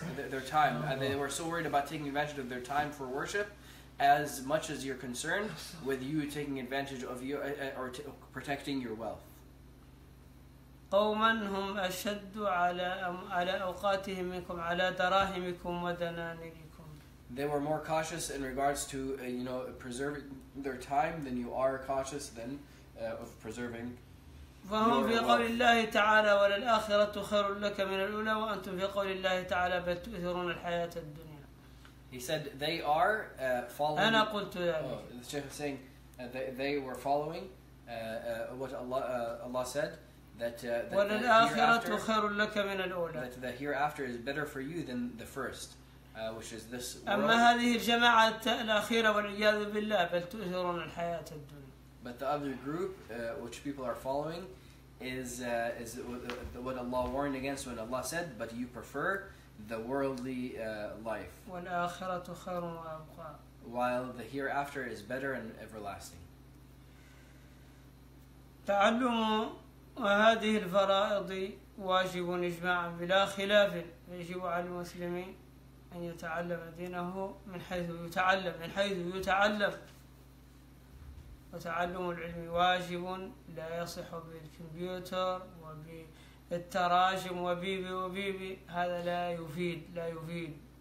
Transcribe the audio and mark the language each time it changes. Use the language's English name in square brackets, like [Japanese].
[English] Their time. They were so worried about taking advantage of their time for worship, as much as you're concerned with you taking advantage of you or protecting your wealth. [Arabic] قوما هم أشد على أوقاتهم منكم على دراهمكم ودنانيركم. [English] They were more cautious in regards to, you know, preserving their time than you are cautious then of preserving. [Arabic] فهم في قول الله تعالى وللآخرة خير لك من الأولى وأنتم في قول الله تعالى بل تؤثرون الحياة الدنيا. [English] He said they are following. [Arabic] أنا قلت ذلك. [English] The Sheikh is saying they were following what Allah said that [Arabic] وللآخرة خير لك من الأولى. [English] That the hereafter is better for you than the first. Which is this world. [Arabic] أما هذه الجماعة الأخيرة والعياذ بالله بل تؤثرون الحياة الدنيا. [English] But the other group, which people are following, is what Allah warned against when Allah said, but you prefer the worldly life. [Arabic] والآخرة خير وأبقى. [English] While the hereafter is better and everlasting. [Arabic] تعلم هذه الفرائض واجب إجماعا بلا خلاف يجب على المسلمين. أن يتعلم دينه من حيث يتعلم من حيث يتعلم وتعلم العلم واجب لا يصح بالكمبيوتر وبالتراجم وبيبي هذا لا يفيد